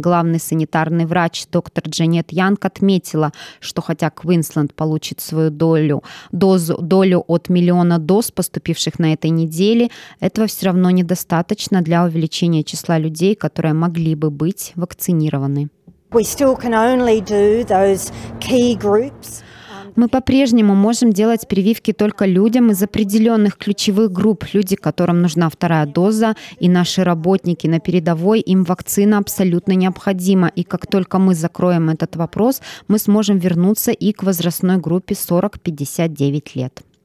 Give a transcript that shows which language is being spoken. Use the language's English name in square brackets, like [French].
[Russian] Главный санитарный врач доктор Джанет Янг отметила, что хотя Квинсленд получит свою долю от 1 000 000 доз, поступивших на этой неделе, этого все равно недостаточно для увеличения числа людей, которые могли бы быть вакцинированы. [English] We still can only do those key groups. [Russian] Мы по-прежнему можем делать прививки только людям из определенных ключевых групп, люди, которым нужна вторая доза, и наши работники на передовой, им вакцина абсолютно необходима. И как только мы закроем этот вопрос, мы сможем вернуться и к возрастной группе 40-59 лет.